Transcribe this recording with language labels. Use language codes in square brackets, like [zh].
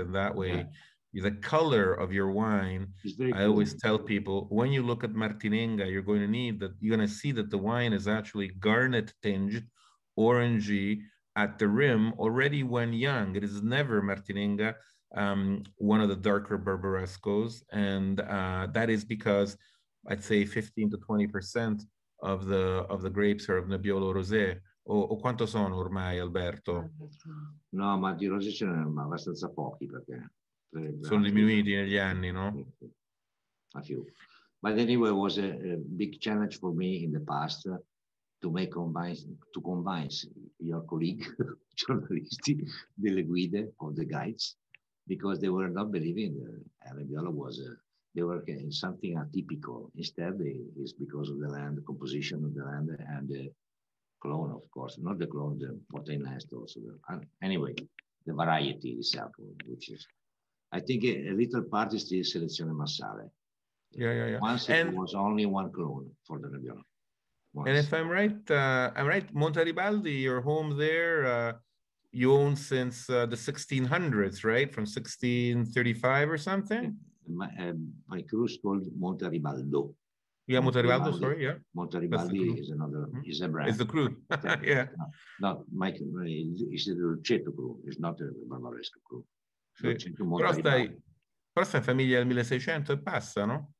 [en] And that way, yeah. The color of your wine, I always tell people, when you look at Martinenga, you're going to see that the wine is actually garnet tinged, orangey at the rim already when young. It is never Martinenga, one of the darker Barbarescos. And that is because I'd say 15 to 20% of the grapes are of Nebbiolo Rosé. [it] O quanto sono ormai, Alberto? No, ma di rosé ce ne sono abbastanza pochi, perché... Sono diminuiti negli anni, no? [en] A few. But anyway, it was a big challenge for me in the past to convince your colleague, [it] giornalisti, delle guide, [en] or the guides, because they were not believing Nebbiolo was... They were getting something atypical. Instead, it's because of the land, the composition of the land, and the clone, of course, not the clone, the protein nest also. Anyway, the variety itself, which is, I think, a little part is the selezione massale. Yeah. Once and it was only one clone for the Nebbiolo. And if I'm right, Montaribaldi, your home there, you own since the 1600s, right? From 1635 or something? My crew is called Montaribaldo. Yeah, Montaribaldo, sorry, yeah. Montaribaldi is another, is a brand. It's the crew, yeah. No, Mike, it's the Luceto crew, it's not the Barbaresco crew. [it] Sì. Però stai in famiglia del 1600 e passa, no?